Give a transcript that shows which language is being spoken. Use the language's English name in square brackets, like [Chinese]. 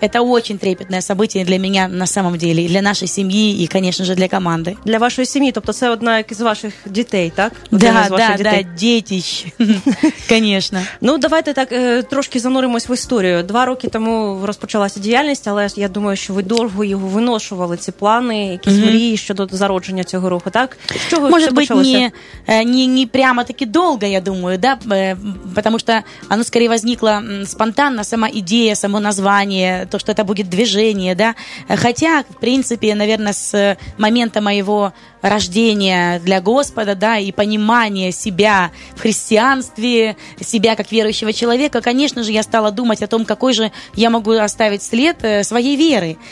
[Russian] Это очень трепетное событие для меня на самом деле, для нашей семьи и, конечно же, для команды. Для вашей семьи, то есть это одна из ваших детей, так? Да, детище, конечно. [Ukrainian] Ну, давайте так трошки зануримось в историю. 2 роки тому розпочалася діяльність, але я думаю, що ви довго його виношували, ці плани, якісь мрії щодо зародження цього руху, так? З чого все почалося? Не прямо таки довго, я думаю, да? [Russian] Потому что оно скорее возникло спонтанно, сама идея, само название, то, что это будет движение, да. Хотя, в принципе, наверное, с момента моего рождения для Господа, да, и понимания себя в христианстве, себя как верующего человека, конечно же, я стала думать о том, какой же я могу оставить след своей веры.